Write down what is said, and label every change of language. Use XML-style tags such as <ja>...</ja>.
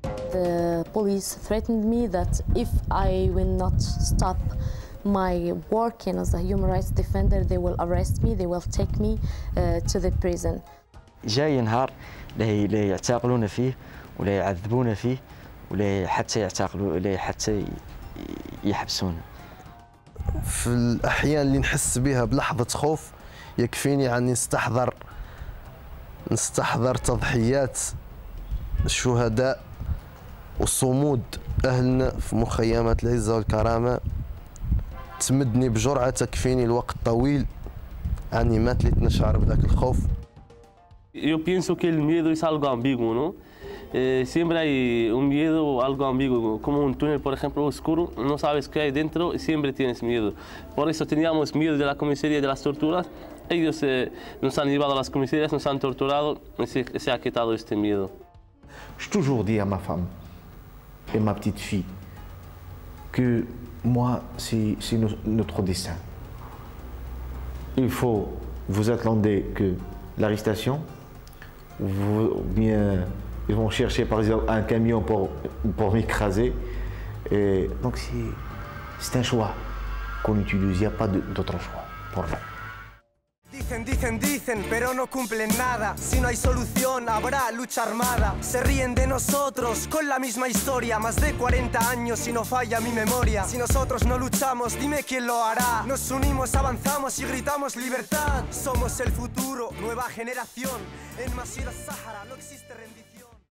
<en>The police threatened me that if I will not stop my working as a human rights defender, they will arrest me, they will take me to the prison.</en> <ar>جاي نهار لا يعتقلون فيه ولا يعذبون فيه ولا حتى يعتقلوا ولا حتى يحبسون. في الأحيان اللي نحس بها بلحظة خوف يكفيني عني نستحضر تضحيات الشهداء وصمود أهلنا في مخيمات العزة والكرامة. تمدني بجرعة تكفيني الوقت طويل عني ما تليت نشعر بذاك الخوف.</ar> <es>Yo pienso que el miedo es algo ambiguo, ¿no? siempre hay un miedo o algo ambiguo, como un túnel, por ejemplo, oscuro, no sabes qué hay dentro y siempre tienes miedo. Por eso teníamos miedo de la comisaría, de las torturas. Ellos nos han llevado a las comisarías, nos han torturado y se ha quitado este miedo.</es> <fr>J'ai toujours dit à ma femme et ma petite fille que moi, c'est notre destin. Il faut vous attendre que l'arrestation, ou bien ils vont chercher par exemple un camion pour m'écraser. Et donc c'est un choix qu'on utilise, il n'y a pas d'autre choix pour nous.</fr> <es>Dicen, pero no cumplen nada. Si no hay solución, habrá lucha armada. Se ríen de nosotros con la misma historia. Más de 40 años y no falla mi memoria. Si nosotros no luchamos, dime quién lo hará. Nos unimos, avanzamos y gritamos libertad. Somos el futuro, nueva generación. En Masir al-Sahara no existe rendición.</es>